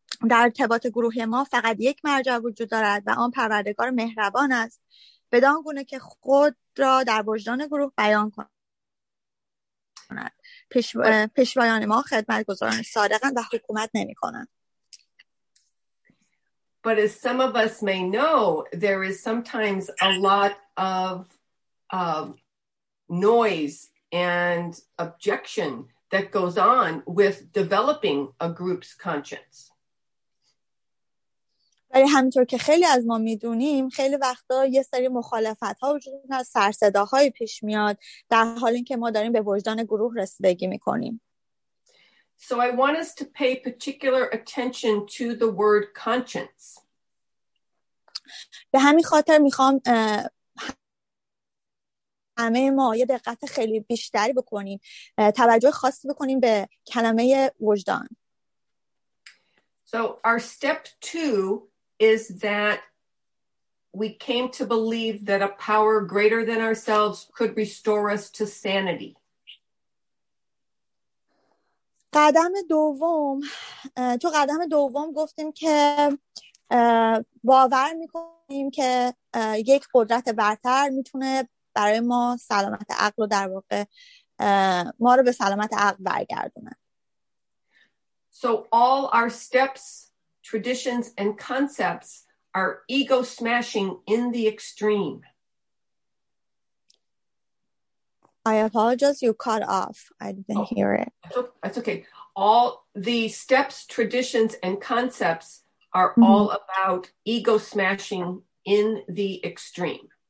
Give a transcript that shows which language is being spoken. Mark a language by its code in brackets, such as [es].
[fa] در ارتباط گروهی ما فقط یک مرجع وجود دارد و آن پروردگار مهربان است. بدان گونه که خود را در وجدان گروه بیان کند. پیشوایان ما خدمت گذاران صادقند و حکومت نمی کنند. [en] But as some of us may know, there is sometimes a lot of noise and objection that goes on with developing a group's conscience. [fa] ولی همینطور که خیلی از ما میدونیم خیلی وقتا یه سری مخالفت ها وجود داره، سرصداهایی پیش میاد در حالی که ما داریم به وجدان گروه رسیدگی میکنیم. [en] So I want us to pay particular attention to the word conscience. [fa] به همین خاطر میخوام همه ما یه دقت خیلی بیشتری بکنیم، توجه خاصی بکنیم به کلمه وجدان. [en] So our step two is that we came to believe that a power greater than ourselves could restore us to sanity. [fa] قدم دوم، تو قدم دوم گفتیم که باور میکنیم که یک قدرت برتر میتونه برای ما سلامت عقل رو در واقع ما رو به سلامت عقل برگردونه. [en] So all our steps, traditions and concepts are ego smashing in the extreme. I apologize, you cut off. I didn't hear it. That's okay. All the steps, traditions and concepts are all about ego smashing in the extreme.